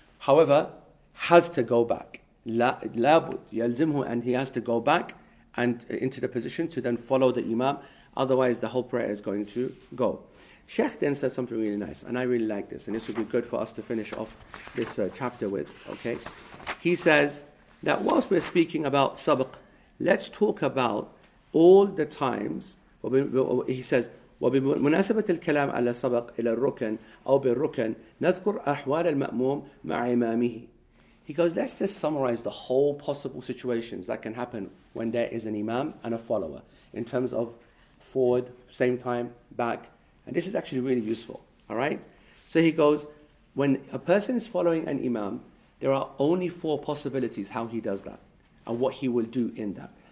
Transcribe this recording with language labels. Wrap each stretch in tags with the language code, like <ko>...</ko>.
<en>However, has to go back.</en> <ar>لابد يلزمه,</ar> <en>and he has to go back and into the position to then follow the imam. Otherwise, the whole prayer is going to go. Sheikh then says something really nice, and I really like this, and this would be good for us to finish off this chapter with. Okay, he says that whilst we're speaking about sabq, let's talk about all the times.</en> <ar>He says, وبمناسبة الكلام على سبق إلى الركن أو بالركن نذكر أحوال المأموم مع إمامه.</ar> <en>He goes, let's just summarize the whole possible situations that can happen when there is an imam and a follower in terms of forward, same time, back. And this is actually really useful, all right? So he goes, when a person is following an imam, there are only four possibilities how he does that and what he will do in that.</en>